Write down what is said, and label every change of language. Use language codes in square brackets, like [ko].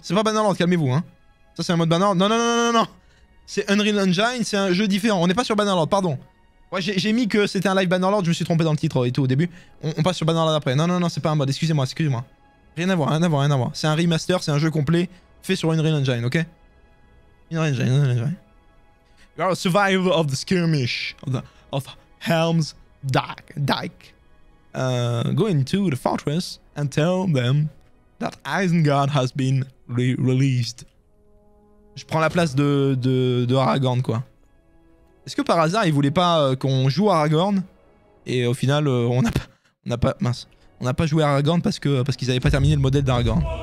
[fr] C'est pas Bannerlord, calmez-vous, hein. Ça, c'est un mode Bannerlord. Non. C'est Unreal Engine, c'est un jeu différent. On n'est pas sur Bannerlord, pardon. Ouais, j'ai mis que c'était un live Bannerlord, je me suis trompé dans le titre et tout au début. On passe sur Bannerlord après. Non, c'est pas un mode, excusez-moi. Rien à voir. C'est un remaster, c'est un jeu complet fait sur Unreal Engine, ok? Unreal Engine. [en] You are a survivor of the skirmish of Helm's Dyke. Go into the fortress and tell them that Isengard has been released. [fr] Je prends la place de Aragorn, quoi. Est-ce que par hasard, il voulait pas qu'on joue Aragorn? Et au final, on n'a pas joué Aragorn parce qu'ils avaient pas terminé le modèle d'Aragorn.